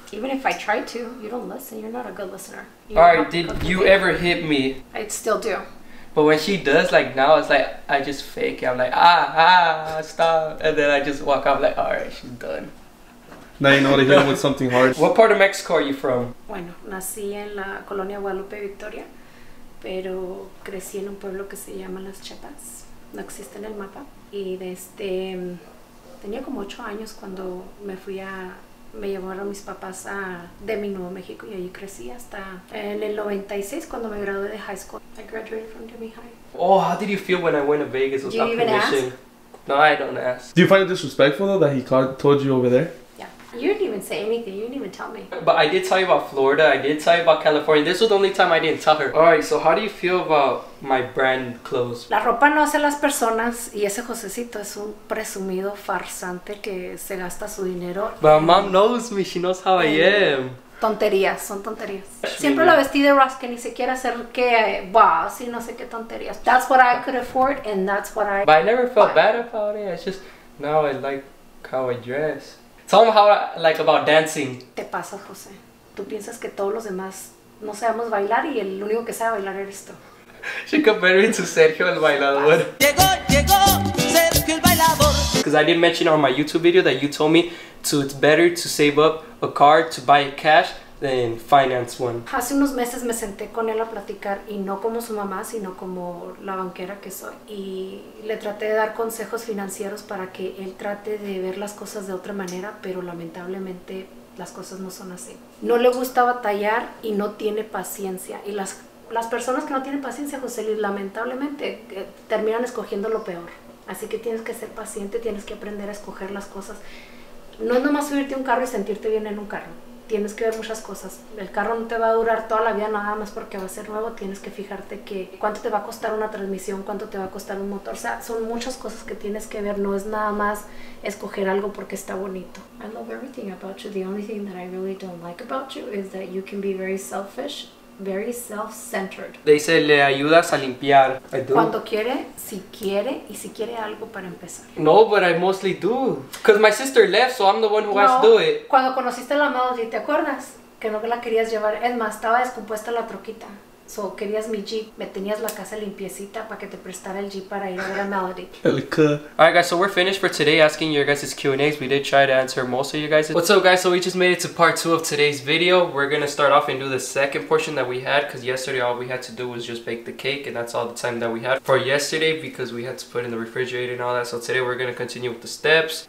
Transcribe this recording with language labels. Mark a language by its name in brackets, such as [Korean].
[English] Even if I try to, you don't listen. You're not a good listener. Alright, did you ever hit me? I still do. But when she does, like now, it's like, I just fake it. I'm like, stop. And then I just walk out like, alright, she's done. Now you know to hit him with something hard. What part of Mexico are you from? [Spanish] Bueno, nací en la colonia Guadalupe Victoria, pero crecí en un pueblo que se llama Las Chapas. No existe en el mapa. Y desde tenía como 8 años cuando me fui a me llevaron mis papás a de mi Nuevo México y ahí crecí hasta en el 96 cuando me gradué de [English] high school. I graduated from Demi High. Oh, how did you feel when I went to Vegas without permission? Do you even ask? No, I don't ask. Do you find it disrespectful though that he told you over there? You didn't even say anything. You didn't even tell me. But I did tell you about Florida. I did tell you about California. This was the only time I didn't tell her. All right, so how do you feel about my brand clothes? [Spanish] La ropa no hace las personas. Y ese Josecito es un presumido farsante que se gasta su dinero. [English] But my mom knows me. She knows how I am. [Spanish] Tonterías. Son tonterías. Siempre la vestí de Ross que ni siquiera hacer que... Wow, así no sé qué tonterías. [English] That's what I could afford and that's what I... But I never felt bad about it. It's just now I like how I dress. Tell them how, like, about dancing. [Spanish] Te pasa, Jose. Tú piensas que todos los demás no sabemos bailar y el único que sabe bailar eres tú. [English] She compared me to Sergio el Bailador. [Spanish] Llegó, llegó, Sergio el Bailador. [English] Because I didn't mention on my YouTube video that you told me it's better to save up a car to buy cash than finance one. [Spanish] Hace unos meses me senté con él a platicar y no como su mamá, sino como la banquera que soy. Y le traté de dar consejos financieros para que él trate de ver las cosas de otra manera, pero lamentablemente las cosas no son así. No le gusta batallar y no tiene paciencia. Y las personas que no tienen paciencia, José Luis, lamentablemente terminan escogiendo lo peor. Así que tienes que ser paciente, tienes que aprender a escoger las cosas. No es nomás subirte a un carro y sentirte bien en un carro. Tienes que ver muchas cosas. El carro no te va a durar toda la vida nada más porque va a ser nuevo. Tienes que fijarte que cuánto te va a costar una transmisión, cuánto te va a costar un motor. O sea, son muchas cosas que tienes que ver. No es nada más escoger algo porque está bonito. [English] I love everything about you. The only thing that I really don't like about you is that you can be very selfish very self-centered. They say [Spanish] le ayudas a limpiar. [English] I do. [Spanish] Cuando quiere, si quiere, y si quiere algo para empezar. [English] No, but I mostly do. Because my sister left, so I'm the one who has to do it. [Spanish] Cuando conociste a la Melody, ¿te acuerdas? Que no la querías llevar. Es más, estaba descompuesta la troquita. So, querías mi Jeep. Me tenías la casa limpiecita para que te prestara el Jeep para ir a ver a Melody. [English] Alright guys, so we're finished for today asking your guys' Q&A's. We did try to answer most of you guys'. What's up guys? So we just made it to part 2 of today's video. We're gonna start off and do the second portion that we had, because yesterday all we had to do was just bake the cake, and that's all the time that we had for yesterday because we had to put in the refrigerator and all that. So today we're gonna continue with the steps.